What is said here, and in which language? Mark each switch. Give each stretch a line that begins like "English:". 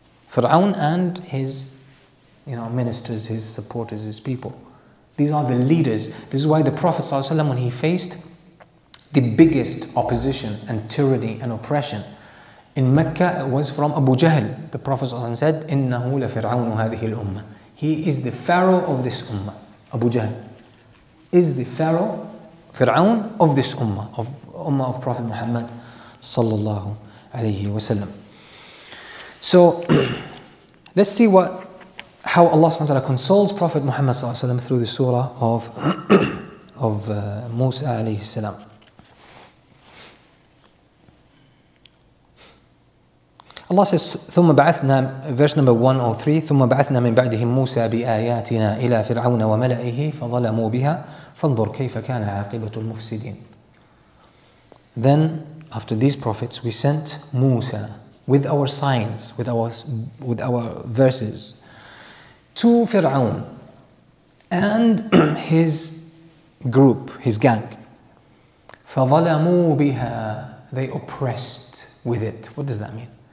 English: Fir'aun and his, you know, ministers, his supporters, his people. These are the leaders. This is why the Prophet ﷺ, when he faced the biggest opposition and tyranny and oppression in Mecca, it was from Abu Jahl. The Prophet ﷺ said,
Arabic: إِنَّهُ لَفِرْعَوْنُ هَذِهِ الْأُمَّةِ.
English: He is the Pharaoh of this Ummah. Abu Jahl is the Pharaoh, Fir'aun, of this Ummah, of Ummah of Prophet Muhammad sallallahu alayhi wasallam. So let's see how Allah subhanahu wa ta'ala consoles Prophet Muhammad sallallahu alayhi wa through the surah of Musa alayhi salam. Allah says,
Arabic: ثُمَّ بَعَثْنَا,
English: verse number 103,
Arabic: ثُمَّ بَعَثْنَا مِنْ بَعْدِهِمْ مُوسَى بِآيَاتِنَا إِلَى فِرْعَوْنَ وَمَلَئِهِ فَظَلَمُوا بِهَا فَانْظُرْ كَيْفَ كَانَ عَاقِبَةُ الْمُفْسِدِينَ.
English: Then, after these prophets, we sent Musa with our signs, with our verses, to Fir'aun and his group, his gang.
Arabic: فَظَلَمُوا بِهَا,
English: they oppressed with it. What does that mean?